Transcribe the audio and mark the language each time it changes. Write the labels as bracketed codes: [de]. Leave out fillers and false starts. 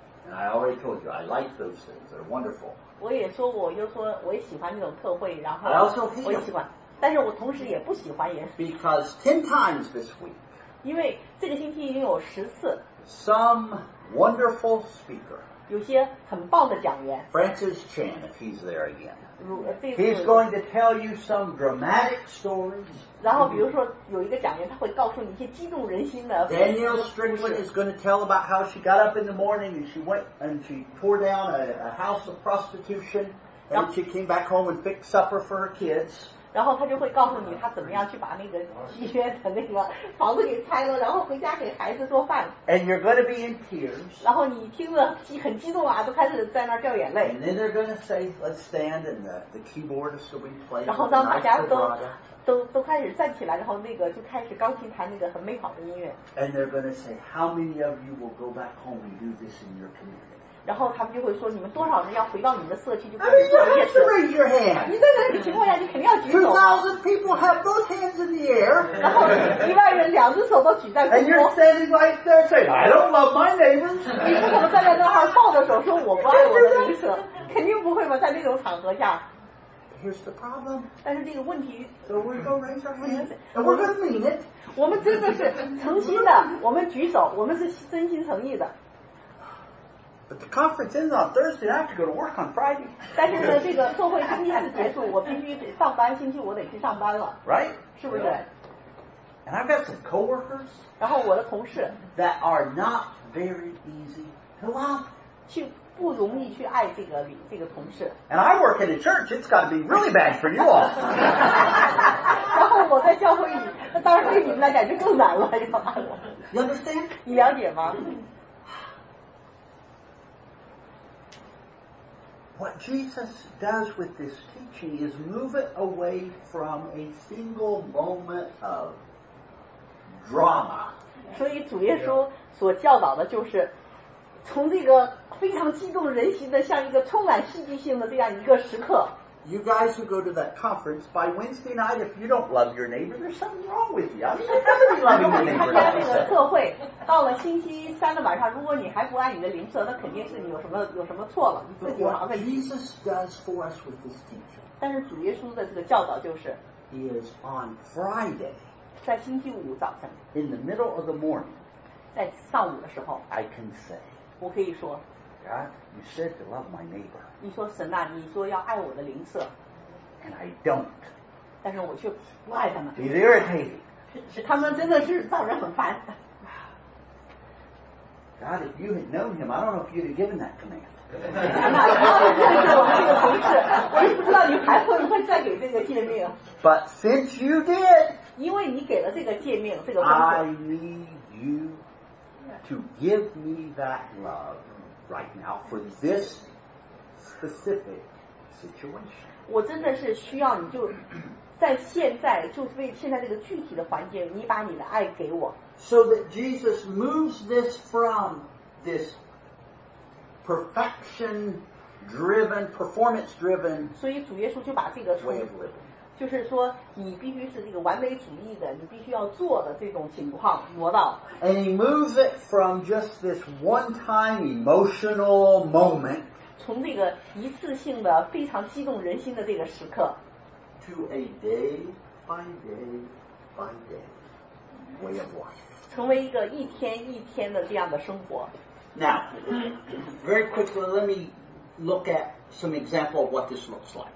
[en] I already told you I like those things. They're wonderful. [zh] 我也说过，我就说我也喜欢这种课会，然后 [en] I also hate [zh] 我也喜欢，但是我同时也不喜欢也。 [en] Because 10 times this week. [zh] 因为这个星期已经有十次。 [en] Some wonderful speaker. [zh] 有些很棒的讲员。 [en] Francis Chan, if he's there again. He's going to tell you some dramatic stories. [zh] 然后比如说有一个讲员，他会告诉你一些激动人心的。 [en] Danielle Strickland is going to tell about how she got up in the morning and she went and she tore down a house of prostitution and she came back home and fixed supper for her kids. [zh] 然后他就会告诉你他怎么样去把那个妓院的那个房子给拆了，然后回家给孩子做饭。 [en] And you're going to be in tears. [zh] 然后你听了很激动啊，都开始在那儿掉眼泪。 [en] And then they're going to say, "Let's stand," and the keyboard is still being played. [zh] 然后当大家都开始站起来，然后那个就开始钢琴弹那个很美好的音乐。 [en] And they're going to say, "How many of you will go back home and do this in your community?" [zh] 然后他们就会说，你们多少人要回到你们的社区就开始做这件事。 [en] I mean, [zh] 你在那里情况下，你肯定要举手。 [en] 2,000 people have both hands in the air. [zh] 然后一万人两只手都举在空中。 [en] And you're standing right there saying, "I don't love my neighbors." [zh] 你不可能站在那儿抱着手说我不爱我的邻舍，肯定不会吧？在那种场合下。 [en] Here's the problem. [zh] 但是这个问题。 [en] So we're going to raise our hands, and we're going to mean it. [zh] 我们真的是诚心的，我们举手，我们是真心诚意的。 [en] But the conference ends on Thursday, and I have to go to work on Friday. [zh] 但是呢，这个座会今天结束，我必须得上班。星期五得去上班了。 [en] Right? [zh] 是不是 [en] ？And I've got some coworkers. [zh] 然后我的同事。 [en] That are not very easy to love. [zh] 去不容易去爱这个同事。 [en] And I work in a church. It's got to be really bad for you all. [zh] 然后我在教会里，那当然对你们来讲就更难了，要爱我。 [en] You understand? [zh] 你了解吗？ [en] What Jesus does with this teaching is move it away from a single moment of drama. [zh] 所以主耶稣所教导的就是从这个非常激动人心的像一个充满戏剧性的这样一个时刻。 [en] You guys who go to that conference, by Wednesday night, if you don't love your neighbor, there's something wrong with you. I mean, you're not going to be loving your neighbor. [zh] 参加那个特会，到了星期三的晚上，如果你还不爱你的邻舍，那肯定是你有什么错了，你自己有毛病。 [en] What Jesus does for us with this teacher. [zh] 但是主耶稣的这个教导就是 [en] He is on Friday. [zh] 在星期五早晨 [en] In the middle of the morning. [zh] 在上午的时候 [en] I can say. [zh] 我可以说 [en] God, you said to love my neighbor. [zh] 你说神呐，你说要爱我的邻舍。 [en] And I don't. [zh] 但是我却不爱他们。 [en] It's irritating. [zh] 是他们真的是造人很烦。 [en] God, if you had known him, I don't know if you'd have given that command. [zh] 神呐，你要是认识我这个同事，我就不知道你还会不会再给这个诫命。 [en] But since you did, [zh] 因为你给了这个诫命，这个 [en] I need you to give me that love. Right now, for this specific situation, [zh] 我真的是需要你就在现在，就为现在这个具体的环境，你把你的爱给我。 [en] So that Jesus moves this from this perfection-driven, performance-driven. [zh] 所以主耶稣就把这个从，就是说你必须是这个完美主义的，你必须要做的这种情况挪到。 [en] And he moves it from just this one-time emotional moment. [zh] 从这个一次性的非常激动人心的这个时刻。 [en] To a day by day by day way of life. [zh] 成为一个一天一天的这样的生活。 [en] Now, very quickly, let me look at. Some example of what this looks like.